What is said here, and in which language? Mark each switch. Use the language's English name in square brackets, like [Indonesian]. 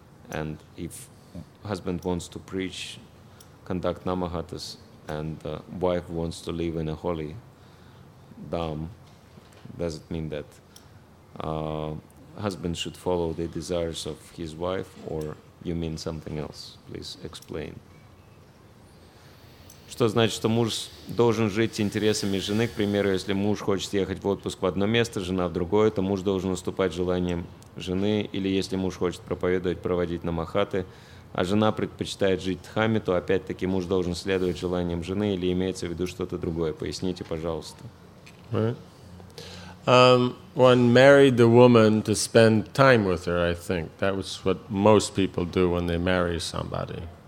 [English] And if husband wants to preach, conduct namahatas, and wife wants to live in a holy dham, does it mean that husband should follow the desires of his wife, or you mean something else? Please explain. [Russian] Что значит, что муж должен жить интересами жены? К примеру, если муж хочет ехать в отпуск в одно место, жена в другое, то муж должен уступать желаниям жены. Или если муж хочет проповедовать, проводить намахаты, а жена предпочитает жить дхаме, то опять-таки муж должен следовать желаниям жены, или имеется в виду что-то другое? Поясните, пожалуйста. [English] One married the woman to spend time with her, I think. That was what most people do when they marry somebody.